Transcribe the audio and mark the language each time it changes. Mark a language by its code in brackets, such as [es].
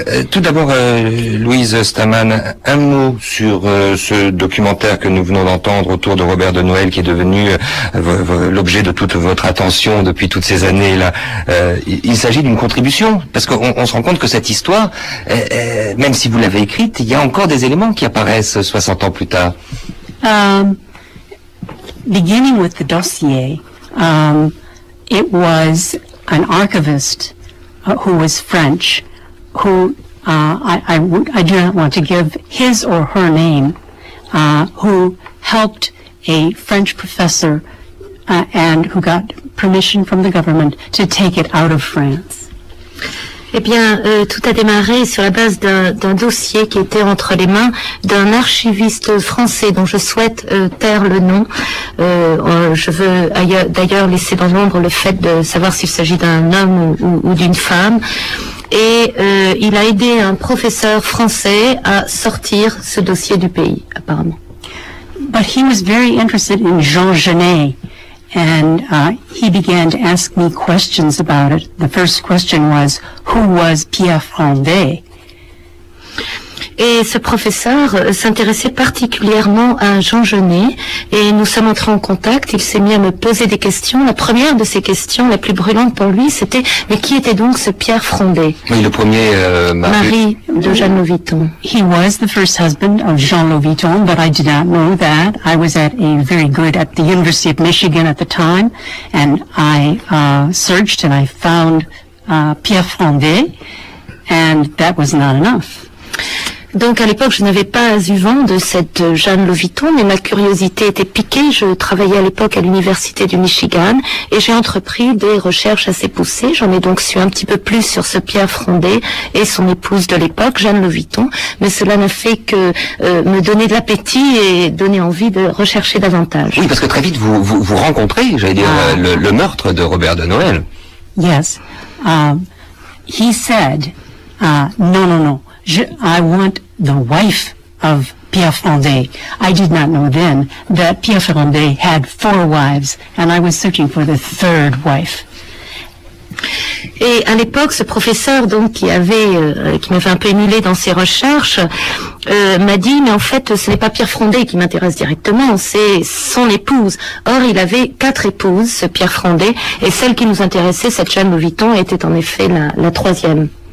[fr] Tout d'abord, Louise Stammann, un mot sur ce documentaire que nous venons d'entendre autour de Robert de Noël, qui est devenu l'objet de toute votre attention depuis toutes ces années là. Il s'agit d'une contribution, parce qu'on se rend compte que cette histoire, même si vous l'avez écrite, il y a encore des éléments qui apparaissent 60 ans plus tard. [en] Beginning with the dossier, it was an archivist who was French, who I do not want to give his or her name, who helped a French professor and who got permission from the government to take it out of France. [fr] Eh bien, tout a démarré sur la base d'un dossier qui était entre les mains d'un archiviste français dont je souhaite taire le nom. Je veux d'ailleurs laisser dans l'ombre le fait de savoir s'il s'agit d'un homme ou d'une femme. Et il a aidé un professeur français à sortir ce dossier du pays, apparemment. [en] But he was very interested in Jean Genet. And he began to ask me questions about it. The first question was, who was Pierre Fondé? [fr] et ce professeur s'intéressait particulièrement à Jean Genet, et nous sommes entrés en contact. Il s'est mis à me poser des questions. La première de ces questions, la plus brûlante pour lui, c'était « Mais qui était donc ce Pierre Frondet ?» Oui, le premier mari de Jeanne Louviton. [en] He was the first husband of Jean Louviton, but I did not know that. I was at a very good at the University of Michigan at the time, and I searched and I found Pierre Frondet, and that was not enough. [fr] Donc à l'époque, je n'avais pas eu vent de cette Jeanne Louviton, mais ma curiosité était piquée. Je travaillais à l'époque à l'Université du Michigan et j'ai entrepris des recherches assez poussées. J'en ai donc su un petit peu plus sur ce Pierre Frondet et son épouse de l'époque, Jeanne Louviton. Mais cela n'a fait que me donner de l'appétit et donner envie de rechercher davantage. Oui, parce que très vite, vous rencontrez, j'allais dire, le meurtre de Robert de Noël. [en] Yes. He said, [fr] non. [en] I want the wife of Pierre Frondet. I did not know then that Pierre Frondet had four wives, and I was searching for the third wife. [fr] Et à l'époque, ce professeur, donc, qui m'avait un peu émulé dans ses recherches, m'a dit, mais en fait, ce n'est pas Pierre Frondet qui m'intéresse directement, c'est son épouse. Or, il avait quatre épouses, ce Pierre Frondet, et celle qui nous intéressait, cette Jeanne Louviton, était en effet la troisième.